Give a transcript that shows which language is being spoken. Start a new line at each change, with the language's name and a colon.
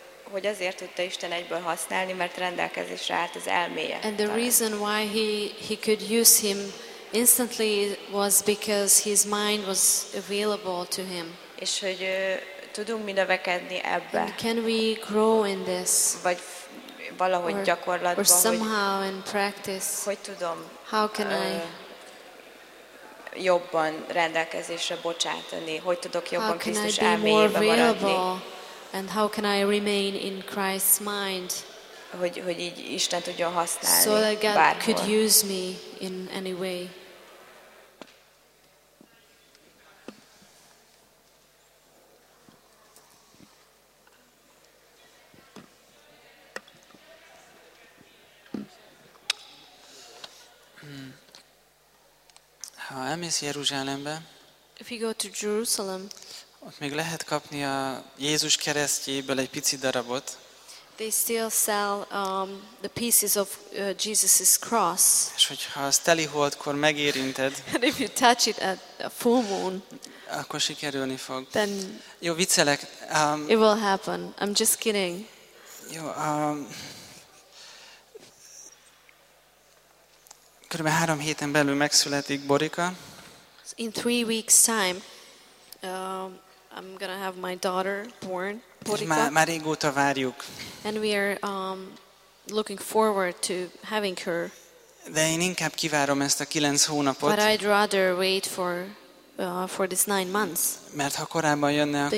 Hungarian: Hogy azért tudta Isten egyből használni, mert rendelkezésre állt az elméje.
English: And the reason why he could use him instantly was because his mind was available to him.
Hungarian: És hogy tudunk mi növekedni ebbe?
English: And can we grow in this?
Hungarian: Vagy valahogy gyakorlatban,
English: or somehow in practice,
Hungarian: hogy tudom,
English: how can I
Hungarian: jobban rendelkezésre bocsátani? Hogy tudok jobban Krisztus elméjébe maradni?
English: And how can I remain in Christ's mind?
Hungarian: Hogy így Isten tudjon használni.
English: So that God
Hungarian: bárhol.
English: Could use me in any way.
Hungarian: Ha elmész Jeruzsálembe.
English: If you go to Jerusalem.
Hungarian: Ott még lehet kapni a Jézus keresztjéből egy pici darabot.
English: They still sell the pieces of Jesus's cross.
Hungarian: És hogyha az teli holdkor megérinted,
English: and if you touch it at a full moon,
Hungarian: akkor sikerülni fog.
English: Then
Hungarian: jó, viccelek.
English: It will happen. I'm just kidding.
Hungarian: Jó, körülbelül 3 héten belül megszületik Borika.
English: In 3 weeks time, I'm gonna have my daughter born.
Hungarian: Már régóta várjuk.
English: And we are looking forward to having her.
Hungarian: De én inkább kivárom ezt a 9 hónapot.
English: But I'd rather wait for this 9 months.
Hungarian: Mert ha korábban jönne, akkor